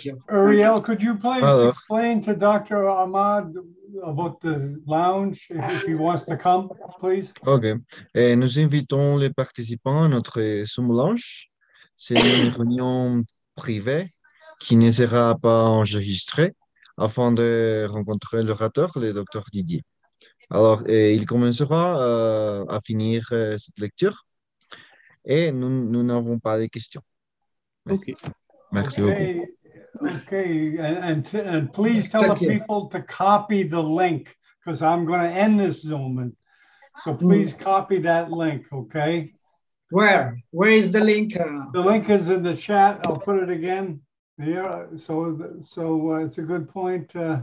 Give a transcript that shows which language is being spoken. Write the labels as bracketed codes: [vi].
[en] Ariel, could you please explain to Dr. Ahmad about the lounge if he wants to come, please? Okay. [fr] Et nous invitons les participants à notre Zoom lounge. C'est une réunion privée qui ne sera pas enregistrée, afin de rencontrer l'orateur, le docteur Didier. Alors, il commencera à finir cette lecture et nous n'avons pas de questions. OK. Merci beaucoup. OK. [en] And please tell the people to copy the link because I'm going to end this Zoom. So please copy that link, OK? Where is the link? The link is in the chat. I'll put it again. Yeah, so it's a good point.